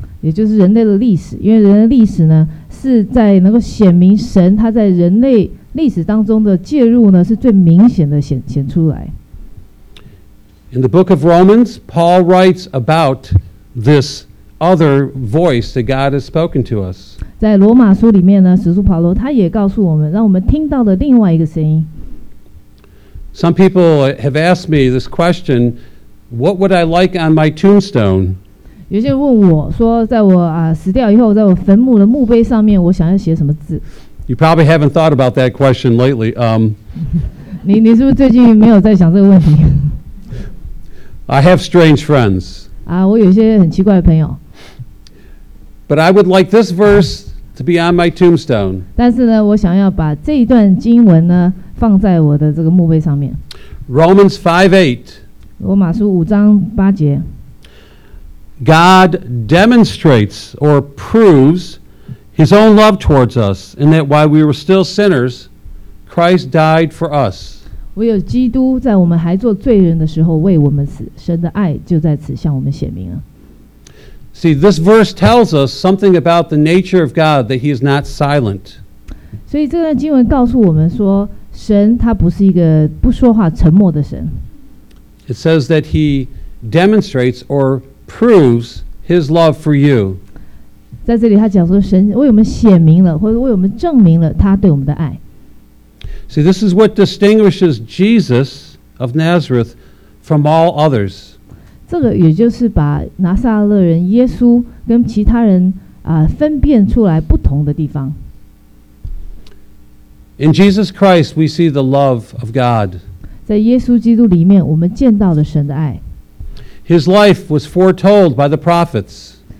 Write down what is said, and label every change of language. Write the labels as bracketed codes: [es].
[zh] 也就是人类的历史，因为人类历史呢，是在能够显明神他在人类历史当中的介入呢，是最明显的显出来。 [en] In the book of Romans, Paul writes about this other voice that God has spoken to us. [zh] 在罗马书里面呢，使徒保罗他也告诉我们，让我们听到的另外一个声音。 [en] Some people have asked me this question: What would I like on my tombstone? [zh] 有些人问我说，在我死掉以后，在我坟墓的墓碑上面，我想要写什么字 [en] ？You probably haven't thought about that question lately. [zh] 你是不是最近没有在想这个问题 [en] ？I have strange friends. [zh] 我有一些很奇怪的朋友。 [en] But I would like this verse to be on my tombstone. [zh] 但是呢，我想要把这一段经文呢，放在我的这个墓碑上面。 [en] Romans 5:8. [zh] 罗马书五章八节。 [en] God demonstrates or proves His own love towards us, in that while we were still sinners, Christ died for us. [zh] 唯有基督在我们还做罪人的时候为我们死，神的爱就在此向我们显明了。 [en] See, this verse tells us something about the nature of God, that he is not silent. [zh] 所以这段经文告诉我们说，神他不是一个不说话沉默的神。 [en] It says that he demonstrates or proves his love for you. [zh] 在这里他讲说神为我们显明了，或者为我们证明了他对我们的爱。 [en] See, this is what distinguishes Jesus of Nazareth from all others. [zh] 这个也就是把拿撒勒人耶稣跟其他人、分辨出来不同的地方。 [en] In Jesus Christ, we see the love of God. [zh] 在耶稣基督里面，我们见到了神的爱。 [en] His life was foretold by the prophets.